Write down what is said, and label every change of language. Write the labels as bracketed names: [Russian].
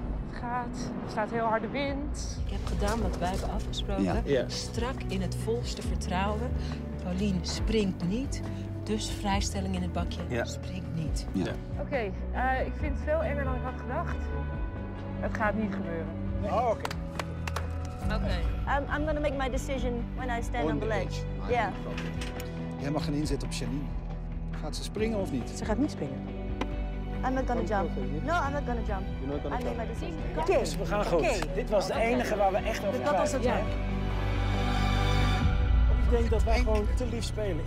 [Dutch] Het gaat. Er staat heel harde wind. Ik heb gedaan wat wij hebben afgesproken. Ja. Strak in het volste vertrouwen. Paulien springt niet. Dus vrijstelling in het bakje springt niet. Ja. Oké, ik vind het veel enger dan ik had gedacht. Het gaat niet gebeuren. Oh, oké. Okay. [English] Okay. I'm gonna make my decision when I stand on the ledge. Yeah. [Dutch] Jij mag een inzet op Janine. Gaat ze springen of niet? Ze gaat niet springen. [English] I'm not gonna jump. No, I'm not gonna jump. I made my decision. Okay. [Dutch] Dus we gaan goed. Okay. Dit was de enige waar we echt over gaan. Dat was het jump. Ik denk dat wij gewoon te lief spelen.